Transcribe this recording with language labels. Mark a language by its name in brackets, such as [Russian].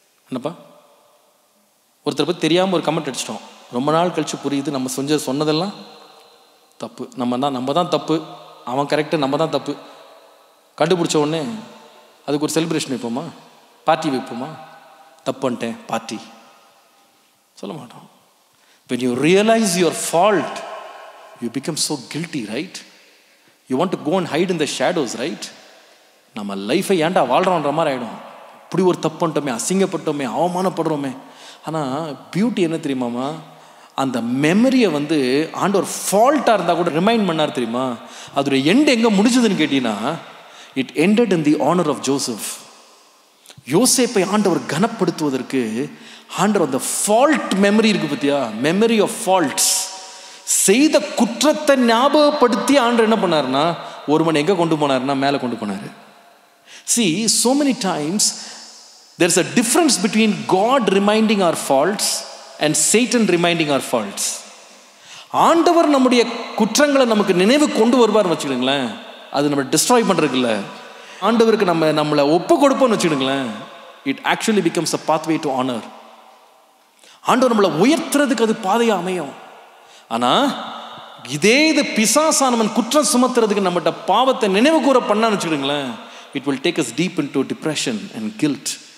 [Tamil] என்னப்பா ஒருத்தர் பற்றி தெரியாமல் ஒரு கமெண்ட் அடிச்சிட்டோம், ரொம்ப நாள் கழித்து புரியுது நம்ம செஞ்ச சொன்னதெல்லாம் தப்பு, நம்ம தான் தப்பு, அவன் கரெக்டு, நம்ம தான் தப்பு. கண்டுபிடிச்ச உடனே அதுக்கு ஒரு செலிப்ரேஷன் வைப்போமா, பார்ட்டி வைப்போமா, தப்பு பண்ணிட்டேன் பார்ட்டி சொல்ல மாட்டோம். [English] When you realize your fault, you become so guilty, right? You want to go and hide in the shadows, right? [Tamil] நம்ம லைஃபை ஏன்டா வாழ்கிறோன்ற மாதிரி ஆகிடும். இப்படி ஒரு தப்புன்ட்டோமே, அசிங்கப்பட்டோமே, அவமானப்படுறோமே. ஆனால் பியூட்டி என்ன தெரியுமாமா, அந்த மெமரியை வந்து ஆண்டவர் ஃபால்ட்டாக இருந்தால் கூட ரிமைண்ட் பண்ணார் தெரியுமா. அதோடைய எண்டு எங்கே முடிஞ்சதுன்னு கேட்டீங்கன்னா, [English] It ended in the honour of Joseph. [Tamil] யோசேப்பை ஆண்டவர் கனப்படுத்துவதற்கு ஆண்டவர் அந்த ஃபால்ட் மெமரி இருக்குது பார்த்தியா, [English] memory of faults, [Tamil] செய்த குற்றத்தை ஞாபகப்படுத்தி ஆண்டவர் என்ன பண்ணார்னா, ஒரு மணி எங்கே கொண்டு போனார்னா மேலே கொண்டு போனார். [English] See, so many times there is a difference between God reminding our faults and Satan reminding our faults. [Tamil] ஆண்டவர் நம்முடைய குற்றங்களை நமக்கு நினைவு கொண்டு வருவார்னு வச்சுக்கோங்களேன், அது நம்ம டிஸ்ட்ராய் பண்ணுறதுக்கு இல்லை, ஆண்டவருக்கு நம்ம நம்மளை ஒப்பு கொடுப்போம்னு வச்சுக்கோங்களேன், [English] It actually becomes a pathway to honour. [Tamil] ஆண்டவர் நம்மளை உயர்த்துறதுக்கு அது பாதையாக அமையும். ஆனால் இதே இது பிசாசானவன் குற்றம் சுமத்துறதுக்கு நம்மகிட்ட பாவத்தை நினைவு கூற பண்ணான்னு வச்சுக்கோங்களேன், [English] it will take us deep into depression and guilt.